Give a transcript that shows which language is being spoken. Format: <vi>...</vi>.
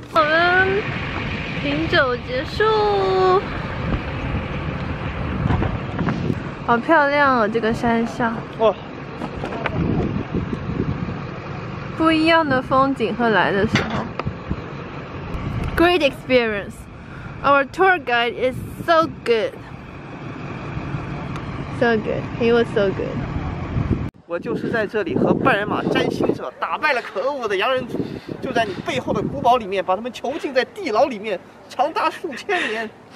<zh>我们品酒结束，好漂亮哦，这个山下。哦。不一样的风景和来的时候。</zh> <en>Great experience. Our tour guide is so good. So good. He was so good.</en> <zh>我就是在这里和半人马占星者打败了可恶的洋人族。就在你背后的古堡里面，把他们囚禁在地牢里面，长达数千年。</zh>